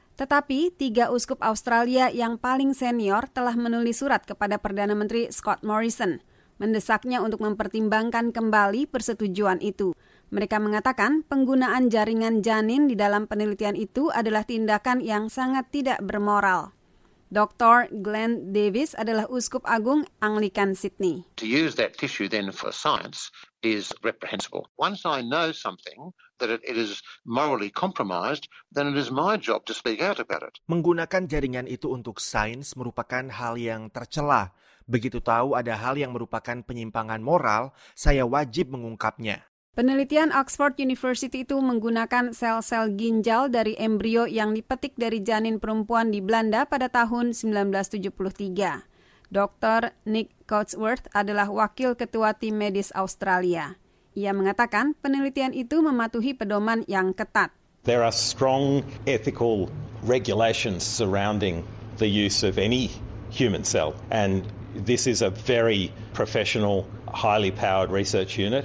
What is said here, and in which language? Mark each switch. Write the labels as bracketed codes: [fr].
[id] Tetapi, tiga uskup Australia yang paling senior telah menulis surat kepada Perdana Menteri Scott Morrison, mendesaknya untuk mempertimbangkan kembali persetujuan itu. Mereka mengatakan penggunaan jaringan janin di dalam penelitian itu adalah tindakan yang sangat tidak bermoral. Dr. Glenn Davis adalah uskup agung Anglikan Sydney. [en] To use that tissue then for science is reprehensible. Once I know something that it is morally compromised, then it is my job to speak out about it. [id] Menggunakan jaringan itu untuk sains merupakan hal yang tercela. Begitu tahu ada hal yang merupakan penyimpangan moral, saya wajib mengungkapnya. Penelitian Oxford University itu menggunakan sel-sel ginjal dari embrio yang dipetik dari janin perempuan di Belanda pada tahun 1973. Dr. Nick Cotsworth adalah wakil ketua tim medis Australia. Ia mengatakan penelitian itu mematuhi pedoman yang ketat. [en] There are strong ethical regulations surrounding the use of any human cell, and this is a very professional, highly powered research unit.